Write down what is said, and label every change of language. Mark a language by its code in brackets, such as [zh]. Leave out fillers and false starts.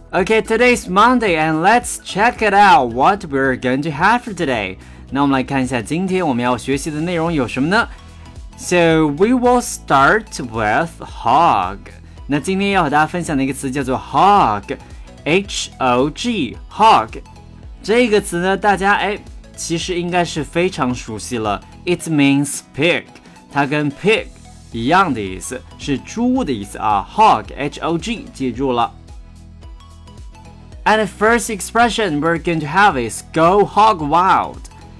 [en] Okay, today's Monday and let's check it out what we're going to have for today. [zh] 那我们来看一下今天我们要学习的内容有什么呢？ [en] So, we will start with hog. [zh] 那今天要和大家分享的一个词叫做 hog. [en] H-O-G, hog. [zh] 这个词呢，大家其实应该是非常熟悉了。 [en] It means pig. [zh] 它跟 pig 一样的意思，是猪的意思啊。 [en] Hog, H-O-G, [zh] 记住了。 [en] And the first expression we're going to have is go hog wild.